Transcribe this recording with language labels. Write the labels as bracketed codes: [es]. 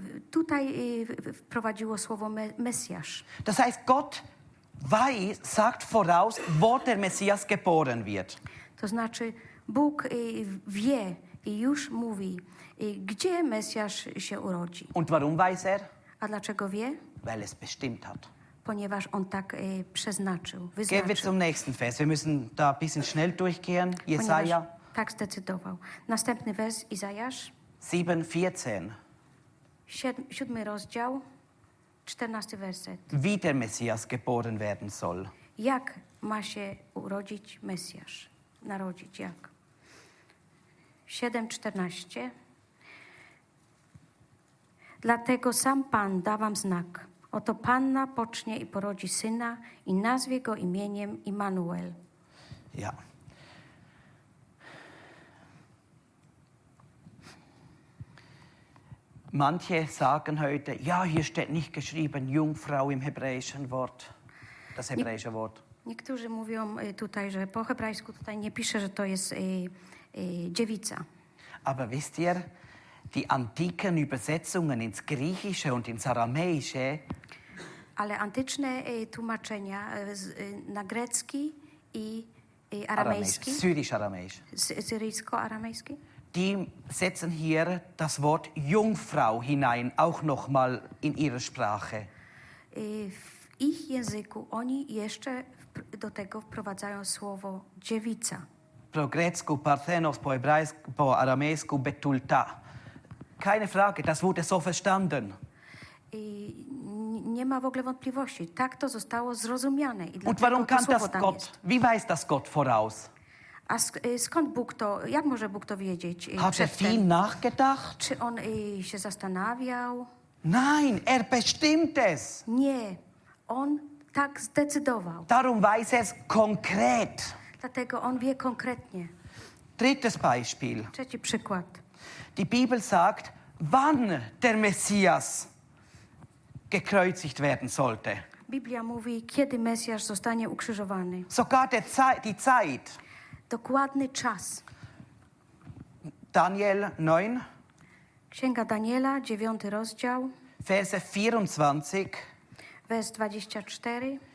[pl] Tutaj wprowadziło słowo Mesjasz. [de] Das heißt, Gott weiß, sagt voraus, wo der Messias geboren wird. [pl] To znaczy, Bóg wie i już mówi, gdzie Mesjasz się urodzi. [de] Und warum weiß er? [pl] A dlaczego wie? [de] Weil es bestimmt hat. [pl] ponieważ on tak przeznaczył, wyznaczył. [de] Gehen wir zum nächsten Vers. Wir müssen da ein bisschen schnell durchgehen. Jesaja. [pl] Tak zdecydował. Następny wers, Izajasz. [de] 7:14. [pl] Siódmy rozdział, 14 werset. [de] Wie der Messias geboren werden soll. [pl] Jak ma się urodzić Mesjasz? Narodzić, jak? [de] 7:14. [pl] Dlatego sam Pan da wam znak. Oto Panna pocznie i porodzi syna i nazwie go imieniem Immanuel. [de] Ja. Manche sagen heute, ja, hier steht nicht geschrieben Jungfrau im hebräischen Wort. Das hebräische Wort. [pl] Niektórzy mówią tutaj, że po hebrajsku tutaj nie pisze, że to jest dziewica. [de] Aber wisst ihr, die antiken Übersetzungen ins Griechische und ins Aramäische. [pl] Ale antyczne tłumaczenia na grecki i aramejski. [de] Syrisch-aramejsch. [pl] Syrisko-aramejski. [de] Die setzen hier das Wort Jungfrau hinein, auch nochmal in ihre Sprache. [pl] W ich języku oni jeszcze do tego wprowadzają słowo dziewica. Po grecku, parthenos, po hebrajsku, po aramejsku, betulta. [de] Keine Frage, das wurde so verstanden. [pl] I nie ma w ogóle wątpliwości. Tak to zostało zrozumiane. I [de] und warum kann das Gott, wie weiß das Gott voraus? [pl] A skąd Bóg to, jak może Bóg to wiedzieć? [de] Hat er viel nachgedacht? [pl] Czy on się zastanawiał? [de] Nein, er bestimmt es. [pl] Nie, on tak zdecydował. [de] Darum weiß es konkret. [pl] Dlatego on wie konkretnie. [de] Drittes Beispiel. [pl] Trzeci przykład. [de] Die Bibel sagt, wann der Messias gekreuzigt werden sollte. [pl] Biblia mówi, kiedy Mesjasz zostanie ukrzyżowany. [de] Sogar der Zeit, die Zeit. [pl] Dokładny czas. [de] Daniel 9. [pl] Księga Daniela, 9 rozdział. [de] Verse 24. Vers 24.